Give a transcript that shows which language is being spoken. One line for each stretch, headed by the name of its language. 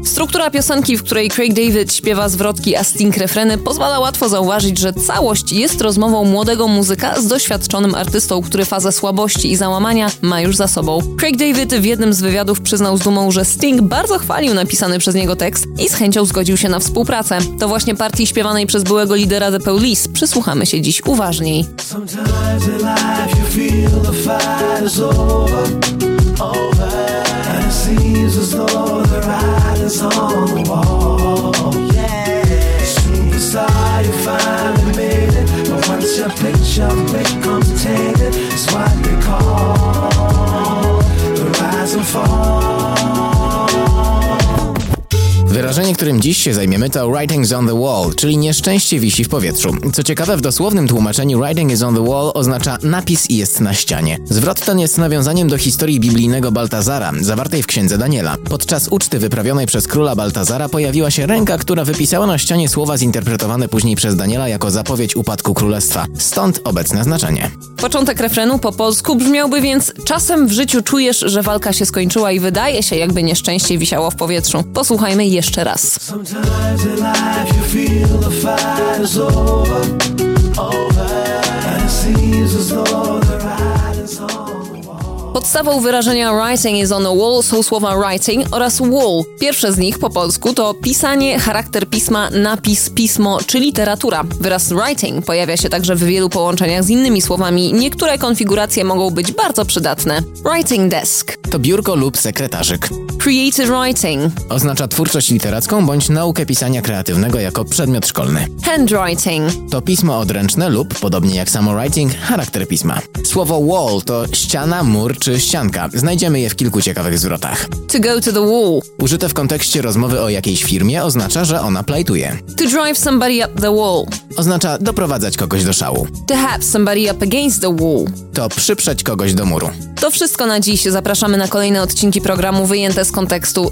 Polish: Struktura piosenki, w której Craig David śpiewa zwrotki, a Sting refreny, pozwala łatwo zauważyć, że całość jest rozmową młodego muzyka z doświadczonym artystą, który fazę słabości i załamania ma już za sobą. Craig David w jednym z wywiadów przyznał z dumą, że Sting bardzo chwalił napisany przez niego tekst i z chęcią zgodził się na współpracę. To właśnie partii śpiewanej przez byłego lidera The Police przysłuchamy się dziś uważniej.
English: Sometimes in life you feel the fight is over, and it seems as though the writing's on the wall. Superstar, you finally made it, but once your picture becomes tainted, it's what they call the rise and fall.
Polish: Wyrażenie, którym dziś się zajmiemy, to
English: writing's on the wall,
Polish: czyli nieszczęście wisi w powietrzu. Co ciekawe, w dosłownym tłumaczeniu
English: writing is on the wall
Polish: oznacza napis jest na ścianie. Zwrot ten jest nawiązaniem do historii biblijnego Baltazara, zawartej w Księdze Daniela. Podczas uczty wyprawionej przez króla Baltazara pojawiła się ręka, która wypisała na ścianie słowa zinterpretowane później przez Daniela jako zapowiedź upadku królestwa. Stąd obecne znaczenie. Początek refrenu po polsku brzmiałby więc: czasem w życiu czujesz, że walka się skończyła i wydaje się, jakby nieszczęście wisiało w powietrzu. Posłuchajmy jeszcze raz.
English: Sometimes in life you feel the fight is over, and it seems as though the writing's on.
Polish: Podstawą wyrażenia
English: writing is on a wall
Polish: są słowa writing oraz wall. Pierwsze z nich po polsku to pisanie, charakter pisma, napis, pismo czy literatura. Wyraz writing pojawia się także w wielu połączeniach z innymi słowami. Niektóre konfiguracje mogą być bardzo przydatne.
English: Writing desk
Polish: to biurko lub sekretarzyk.
English: Creative writing
Polish: oznacza twórczość literacką bądź naukę pisania kreatywnego jako przedmiot szkolny.
English: Handwriting
Polish: to pismo odręczne lub, podobnie jak samo writing, charakter pisma. Słowo wall to ściana, mur czy ścianka. Znajdziemy je w kilku ciekawych zwrotach.
English: To go to the wall.
Polish: Użyte w kontekście rozmowy o jakiejś firmie oznacza, że ona plajtuje.
English: To drive somebody up the wall.
Polish: Oznacza doprowadzać kogoś do szału.
English: To have somebody up against the wall.
Polish: To przyprzeć kogoś do muru. To wszystko na dziś. Zapraszamy na kolejne odcinki programu Wyjęte z kontekstu.